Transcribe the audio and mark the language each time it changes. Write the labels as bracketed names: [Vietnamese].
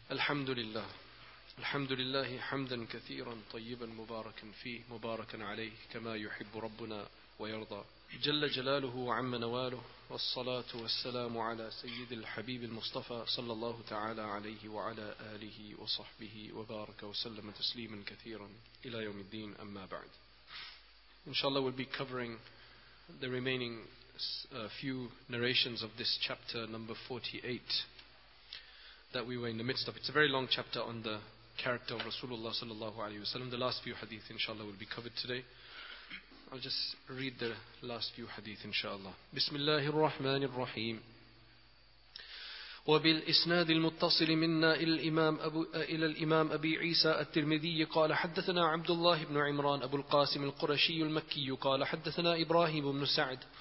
[Arabic] الحمد لله، الحمد لله حمدا كثيرا طيبا مباركا فيه، مباركا عليه كما يحب ربنا ويرضى جل جلاله وعم نواله، والصلاة والسلام على سيد الحبيب المصطفى صلى الله تعالى عليه وعلى آله وصحبه وبارك وسلم تسليما كثيرا إلى يوم الدين. أما بعد، إن شاء الله [English] we'll be covering the remaining few narrations of this chapter number 48 that we were in the midst of. It's a very long chapter on the character of Rasulullah sallallahu alayhi wa sallam. The last few hadith inshallah will be covered today. I'll just read the last few hadith inshallah. [Arabic] Bismillahir Rahmanir Rahim. وبال اسناد المتصل منا الى الامام ابي عيسى الترمذي قال حدثنا عبد الله بن عمران ابو القاسم القرشي المكي قال حدثنا ابراهيم بن سعد